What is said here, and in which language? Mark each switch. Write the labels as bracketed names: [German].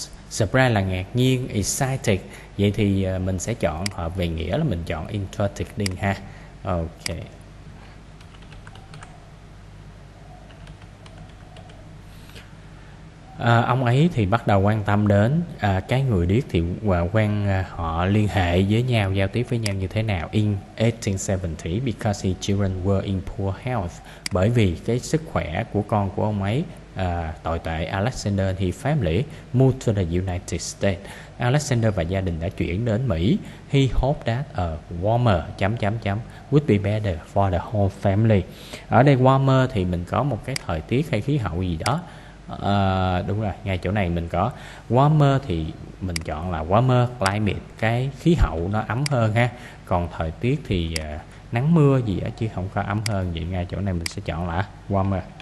[Vietnamese] Surprise là ngạc nhiên, excited. Vậy thì mình sẽ chọn hợp về nghĩa là mình chọn [English] interested in [Vietnamese] ha. Ok. Ông ấy thì bắt đầu quan tâm đến cái người điếc, thì quen họ liên hệ với nhau, giao tiếp với nhau như thế nào. [English] In 1870, because his children were in poor health. [Vietnamese] Bởi vì cái sức khỏe của con của ông ấy tồi tệ, Alexander thì [English] family moved to the United States. [Vietnamese] Alexander và gia đình đã chuyển đến Mỹ. [English] He hoped that a warmer [Vietnamese] chấm chấm chấm [English] would be better for the whole family. [Vietnamese] Ở đây warmer thì mình có một cái thời tiết hay khí hậu gì đó. Đúng rồi, ngay chỗ này mình có warmer thì mình chọn là [English] warmer climate, [Vietnamese] cái khí hậu nó ấm hơn ha. Còn thời tiết thì nắng mưa gì đó chứ không có ấm hơn. Vậy ngay chỗ này mình sẽ chọn là warmer.